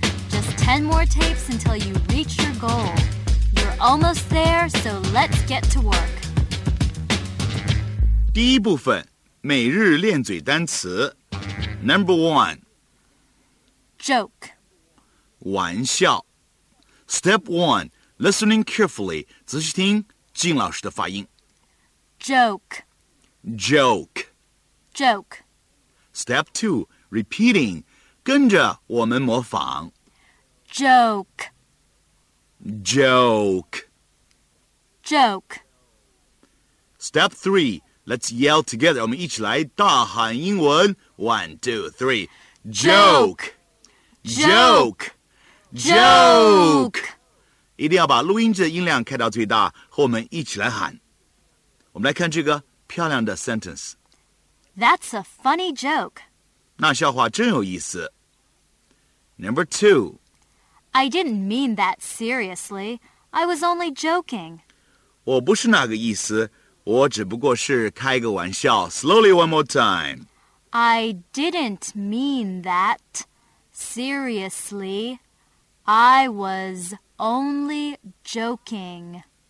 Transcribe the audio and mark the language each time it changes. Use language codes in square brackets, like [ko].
[en] Just 10 more tapes until you reach your goal. You're almost there, so let's get to work. [zh] 第一部分，每日练嘴单词。 [en] Number one. Joke. [zh] 玩笑 [en] Step 1. Listening carefully. [zh] 仔细听静老师的发音 [en] Joke. Joke. Joke. Step 2. Repeating. [zh] 跟着我们模仿 [en] Joke. Joke. Joke. Step 3. Let's yell together. [zh] 我们一起来大喊英文 [en] 1, 2, 3. Joke. Joke, joke, joke. [zh] 一定要把录音机的音量开到最大，和我们一起来喊。我们来看这个漂亮的 sentence. [en] That's a funny joke. [zh] 那笑话真有意思。 [en] Number two. I didn't mean that seriously. I was only joking. [zh] 我不是那个意思，我只不过是开个玩笑。 [en] Slowly, one more time. I didn't mean that. Seriously, I was only joking.